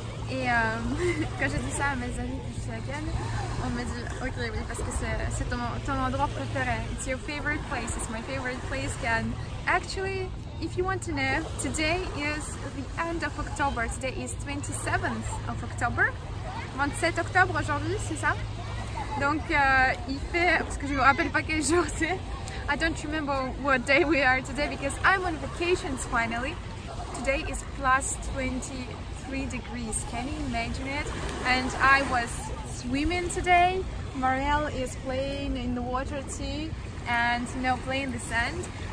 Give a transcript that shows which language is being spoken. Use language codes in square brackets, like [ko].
[fr] Et quand je dis ça à mes amis que je suis à Cannes, on me dit ok, oui, parce que c'est ton endroit préféré. [en] It's your favorite place. It's my favorite place, Cannes. Actually, if you want to know, today is the end of October. Today is 27th of October. [fr] 27 octobre aujourd'hui, c'est ça? Donc il fait, parce que je ne me rappelle pas quel jour c'est. [en] I don't remember what day we are today because I'm on vacations finally. Today is plus 23 degrees, can you imagine it? And I was swimming today. Marielle is playing in the water too and now playing the sand.